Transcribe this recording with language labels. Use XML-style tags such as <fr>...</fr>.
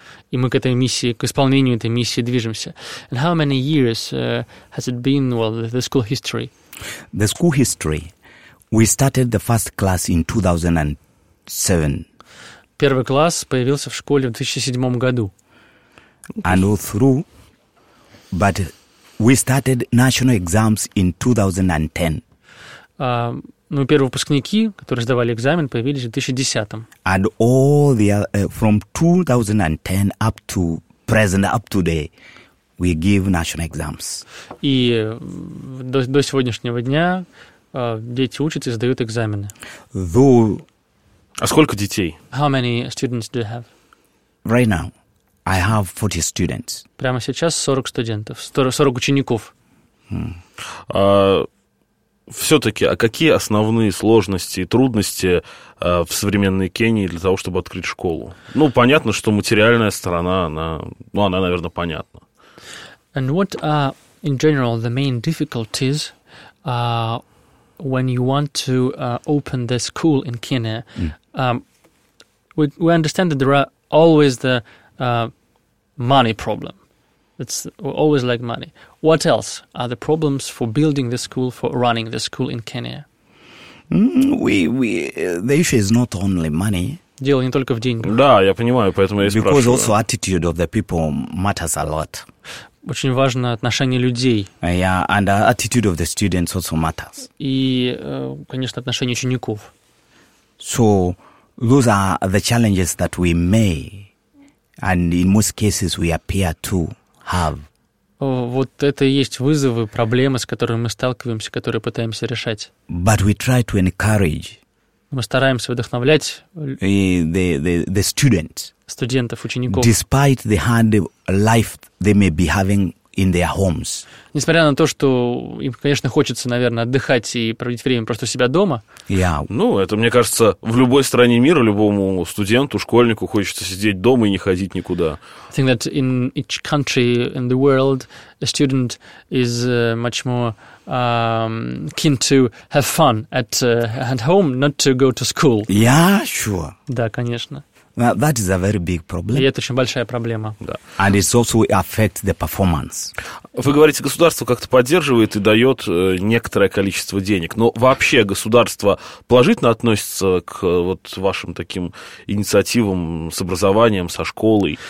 <ru>И мы к этой миссии, к исполнению этой миссии движемся.</ru> <en>And how many years has it been, well, the school history? The school history. We started the first class in 2007.</en> <ru>Первый класс появился в школе в 2007 году.</ru> <en>And all through, but we started national exams in 2010.</en> <ru>Ну, первые выпускники, которые сдавали экзамен, появились в 2010.</ru> <en>And all the from 2010 up to present, up to today, we give national exams.</en> <ru>И до сегодняшнего дня дети учатся и сдают экзамены. А сколько детей?</ru> <en>How many students do you have? Right now, I have 40 students.</en> <ru>Прямо сейчас 40 студентов, 40 учеников. Все-таки, а какие основные сложности и трудности в современной Кении для того, чтобы открыть школу? Ну, понятно, что материальная сторона, она, наверное, понятна.</ru> <en>And what are, in general, the main difficulties when you want to open the school in Kenya? We understand that there are always the money problem. It's always like money. What else are the problems for building the school, for running the school in Kenya? The issue is not only money.</en> <ru>Дело не только в деньгах. Да, я понимаю, поэтому я и спрашиваю.</ru> <en>Because also attitude of the people matters a lot.</en> <ru>Очень важно отношение людей.</ru> <en>Yeah, and attitude of the students also matters.</en> <ru>И, конечно, отношение учеников.</ru> <en>So those are the challenges that we may, and in most cases we appear to have.</en> <ru>Вот это и есть вызовы, проблемы, с которыми мы сталкиваемся, которые пытаемся решать.</ru> <en>But we try to encourage.</en> <ru>Мы стараемся вдохновлять</ru> <en>the student,</en> <ru>студентов, учеников.</ru> <en>Despite the hard life they may be having in their homes.</en> <ru>Несмотря на то, что им, конечно, хочется, наверное, отдыхать и проводить время просто у себя дома.</ru> <en>Yeah.</en> <ru>Ну, это, мне кажется, в любой стране мира любому студенту, школьнику хочется сидеть дома и не ходить никуда.</ru> <en>I think that in each country in the world, a student is much more keen to have fun at home, not to go to school. Yeah, sure.</en> <ru>Да, конечно.</ru> <en>Now, that is a very big problem.</en> <ru>И это очень большая проблема. Да.</ru> <en>And it also affects the performance.</en> <ru>Вы говорите, государство как-то поддерживает и дает некоторое количество денег. Но вообще государство положительно относится к вот вашим таким инициативам с образованием, со школой?</ru>